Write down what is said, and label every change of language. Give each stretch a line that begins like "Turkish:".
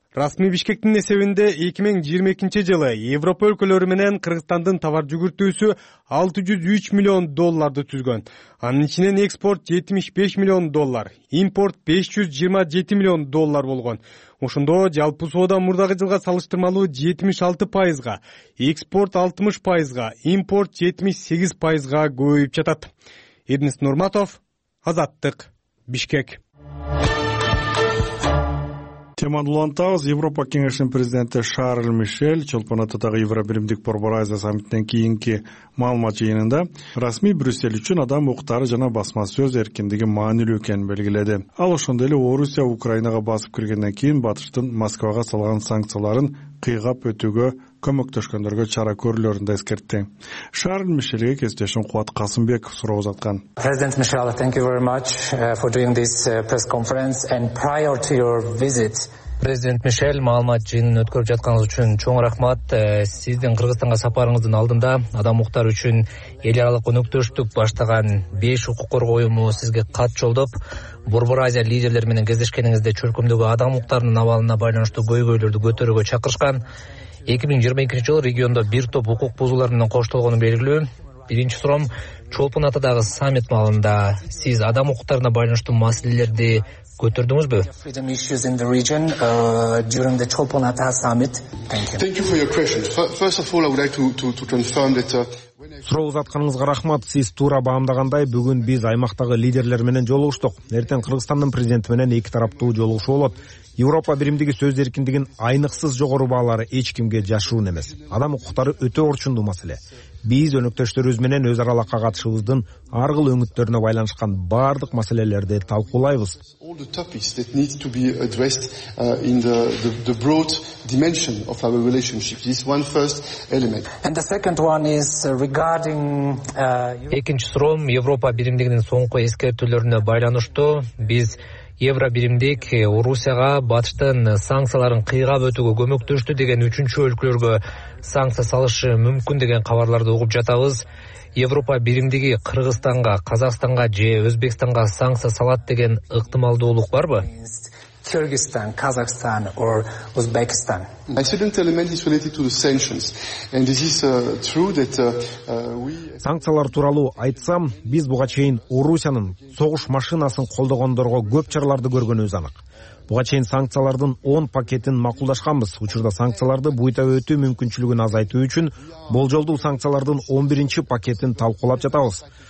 Kyrgyz: Расмий Бишкектин эсебинде 2022 жылы Европа өлкөлөрү менен Кыргызстандын товар жүгүртүүсү 603 миллион долларды түзгөн. Анын ичинен экспорт 75 миллион доллар, импорт 527 миллион доллар болгон. Ошондо жалпы соода мурдагы жылга салыштырмалуу 76%, экспорт 60%, импорт 78%, көбөйүп жатат. Эрнис Нурматов, Азаттык, Бишкек. Теманы улантабыз. Европа кеңешинин президенти Шарль Мишель Чолпон Атадагы Евробиримдик борбор Азия саммитинен кийинки маалымат жыйынында расмий Брюссель үчүн адам укуктары жана басма сөз эркиндиги маанилүү экенин белгиледи. Ал ошондой эле Орусия Украинага басып киргенден кийин батыштын Москвага салган санкцияларын кыйгап өтүүгө көмөктөшкөндөргө чара көрүлөрүн да эскертти. Шарль Мишельге кесиптешим Кубат Касымбеков суроо узаткан.
English: President Michel, thank you very much for doing this press conference and prior to your visit.
Kyrgyz: Президент Мишель, маалымат жыйынын өткөрүп жатканыңыз үчүн чоң рахмат. Сиздин Кыргызстанга сапарыңыздын алдында адам укуктары үчүн эл аралык көмөктөштүк баштаган 5 укук коргоо уюму сизге кат жолдоп, Борбор Азия лидерлери менен кездешкениңизде чөлкөмдөгү адам укуктарынын абалына байланыштуу көйгөйлөрдү көтөрүүгө чакырышкан. 2022 жылы региондо бир топ укук бузуулар менен коштолгону белгилүү. Биринчи суроом, Чолпон Атадагы саммит маалында сиз адам укуктарына байланыштуу маселелерди көтөрдүңүзбү?
English: Freedom issues in the region during the Chulpon Ata summit. Thank you. Thank you for your question. First of all, I would like to confirm that
Kyrgyz: Суроо узатканыңызга рахмат. Сиз туура баамдагандай, бүгүн биз аймактагы лидерлер менен жолугуштук. Эртең Кыргызстандын президенти менен эки тараптуу жолугушуу болот. Европа биримдиги сөз эркиндигин айныксыз жогору баалары эч кимге жашыруун эмес. Адам укуктары өтө орчундуу маселе. Биз өнөктөштөрүбүз менен өз аралыкка катышыбыздын ар кыл өңүттөрүнө байланышкан бардык маселелерди талкуулайбыз. Экинчи суроом Европа биримдигинин соңку эскертүүлөрүнө байланыштуу. Биз Евро биримдик Орусияга батыштын санкцияларын кыйгап өтүүгө көмөктөштү деген үчүнчү өлкөлөргө санкция салышы мүмкүн деген кабарларды угуп жатабыз. Европа биримдиги Кыргызстанга, Казакстанга же Өзбекстанга санкция салат деген ыктымалдуулук барбы?
English: Kyrgyzstan, Kazakhstan or Uzbekistan. My second element is related to the sanctions. And this is true that we
Kyrgyz: Санкциялар тууралуу айтсам, биз буга чейин Орусиянын согуш машинасын колдогондорго көп чараларды көргөнүбүз анык. Буга чейин санкциялардын 10 пакетин макулдашканбыз. Учурда санкцияларды буйта өтүү мүмкүнчүлүгүн азайтуу үчүн болжолдуу санкциялардын 11-чи пакетин талкуулап жатабыз.